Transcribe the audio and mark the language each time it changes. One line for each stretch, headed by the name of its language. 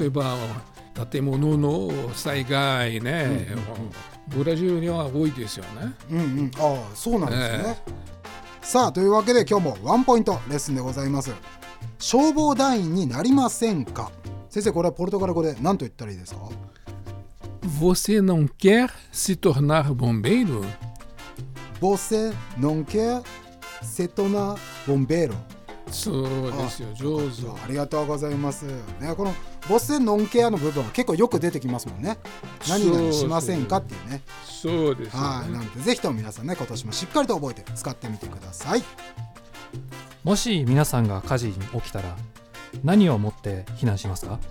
Japanese: 例えば建物の災害ね、ブラジルには多いですよね、うんうん、あ、そうなんですね、さあというわけで今日もワンポイントレッスンでございます。消防団員になりませんか？先生、これはポルトガル語で何と言ったらいいですか？
Portuguese: Você não quer se tornar bombeiro? Você não quer se tornar bombeiro?
Japanese: そうですよ、上手。ありがとうございます。ね、この
Portuguese: Você não quer
Japanese: の部分は結構よく出てきますもんね。何々しませんかっていうね。そうですね。なんで、ぜひとも皆さんね、今年もしっかりと覚えて使ってみてください。もし皆さんが火事に起きたら、何を持って避難しますか？